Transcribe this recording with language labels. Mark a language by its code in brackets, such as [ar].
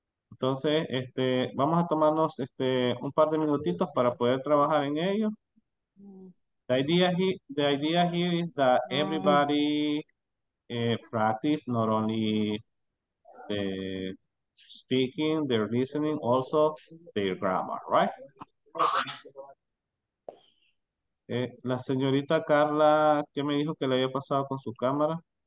[es] Entonces, vamos a tomarnos un par de minutitos para poder trabajar en ello. [en] The idea here is that everybody practice not only the speaking, their listening, also their grammar, right? [es] La señorita Carla, ¿qué me dijo que le había pasado con su cámara?